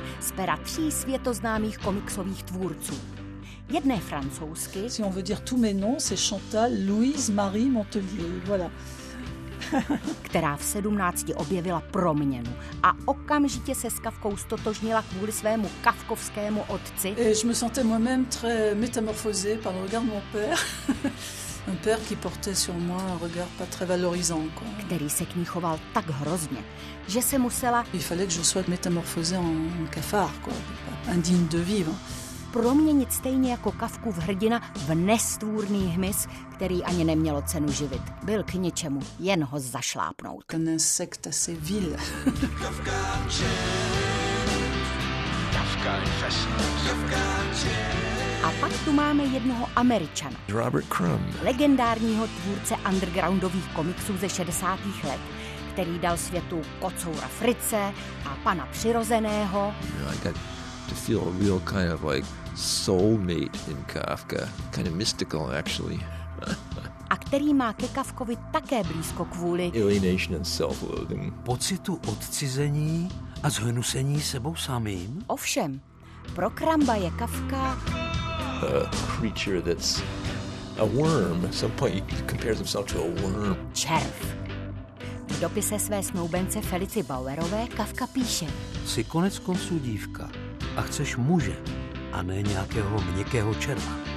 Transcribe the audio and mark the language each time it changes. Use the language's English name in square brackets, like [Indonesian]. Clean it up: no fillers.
[Czech] Z pera tří světoznámých komiksových tvůrců. Jedné francouzsky. [French] Si on veut dire tous mes noms, c'est Chantal Louise Marie Montelier. Voilà. [Czech] Která v 17 objevila proměnu a okamžitě se s Kafkou stotožnila kvůli svému kafkovskému otci. [French] Et je me sentais moi-même très métamorphosée par le regard de mon père. Un père qui portait sur moi un regard pas très valorisant quoi. [Czech] Který se k ní choval tak hrozně, že se musela. [French] Il fallait que je sois métamorphosée en cafard quoi, indigne de vivre. [Czech] Proměnit stejně jako Kafku v hrdina v nestvůrný hmyz, který ani nemělo cenu živit. Byl k ničemu, jen ho zašlápnout. Ten insekt se vil. [English] Kafka Unchained. Kafka Unchained. Kafka Unchained. [Czech] A pak tu máme jednoho Američana. Robert Crumb. Legendárního tvůrce undergroundových komiksů ze 60. let, který dal světu Kocoura Frice a Pana Přirozeného. [English] To feel a real kind of like soulmate in Kafka, kind of mystical actually. [Czech] A který má ke Kafkovi také blízko kvůli [English] alienation and self-loathing. [Czech] Pocitu odcizení a zhnusení sebou samým. Ovšem, pro Kramba je Kafka [English] a creature that's a worm. At some point he compares himself to a worm. [Czech] Červ. V dopise své snoubence Felici Bauerové Kafka píše: jsi konec konců dívka a chceš muže, a ne nějakého měkkého červa.